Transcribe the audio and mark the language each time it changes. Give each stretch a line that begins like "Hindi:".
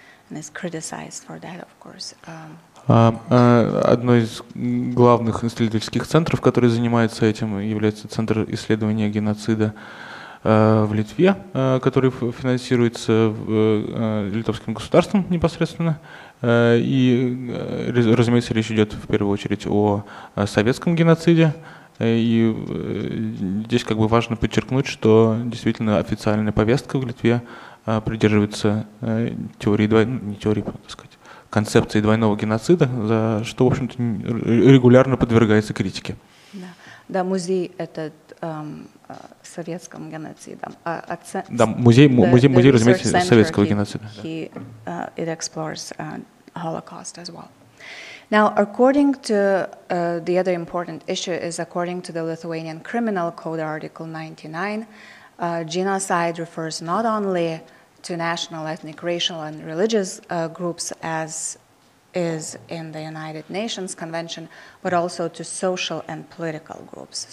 English: and is criticized for that, of course.
Russian: Одно из главных исследовательских центров, который занимается этим, является Центр исследования геноцида в Литве, который финансируется литовским государством непосредственно. И, разумеется, речь идет в первую очередь о советском геноциде. И здесь как бы важно подчеркнуть, что действительно официальная повестка в Литве придерживается теории, не теории, так сказать, концепции двойного геноцида, за что, в общем-то, регулярно подвергается критике. Да, да, музей этот советском геноцидом. Да, музей, музей разумеется, советского геноцида.
English: It explores Holocaust as well. Now, according to the other important issue is according to the Lithuanian Criminal Code Article 99, genocide refers not only to national, ethnic, racial, and religious groups, as is in the United Nations Convention, but also to social and political groups.